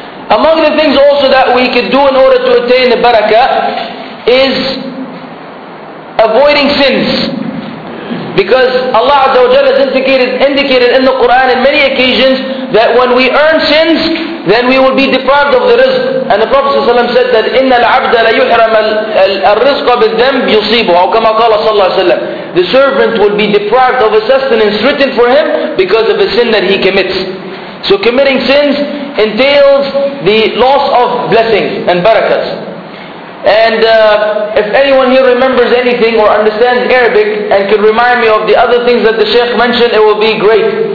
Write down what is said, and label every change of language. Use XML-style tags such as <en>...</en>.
<en>Among the things also that we could do in order to attain the barakah is avoiding sins. Because Allah Azza wa Jalla has indicated in the Quran in many occasions that when we earn sins, then we will be deprived of the rizq. And the Prophet ﷺ said that</en> <ar>إِنَّ الْعَبْدَ لَيُحْرَمَ الْرِزْقَ بِالذَّنْبِ يُصِيبُهُ أو كما قال صلى الله عليه وسلم.</ar> <en>The servant will be deprived of a sustenance written for him because of a sin that he commits. So committing sins entails the loss of blessings and barakahs. And if anyone here remembers anything or understands Arabic and can remind me of the other things that the Shaykh mentioned, it will be great.</en>